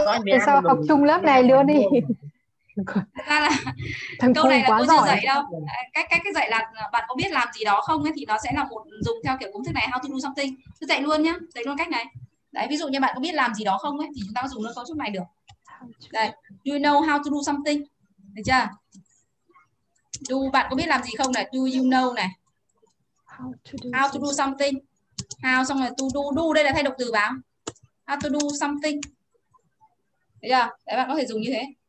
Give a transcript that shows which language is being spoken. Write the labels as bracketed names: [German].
[Vietnamese] Tại sao học chung lớp này luôn đi? Câu này là cô chưa dạy đâu. Cách dạy là bạn có biết làm gì đó không ấy, thì nó sẽ là một dùng theo kiểu công thức này, [English] how to do something. [Vietnamese] Cứ dạy luôn nhá, dạy luôn cách này. Đấy, ví dụ như bạn có biết làm gì đó không ấy, thì chúng ta dùng câu trúc này được. [English] Đây, do you know how to do something? [Vietnamese] Được chưa? Bạn có biết làm gì không này? [English] Do you know [Vietnamese] này? [English] How to do something? [Vietnamese] How xong rồi do đây là thay động từ vào. [English] How to do something? [Vietnamese] Được chưa? Đấy, bạn có thể dùng như thế.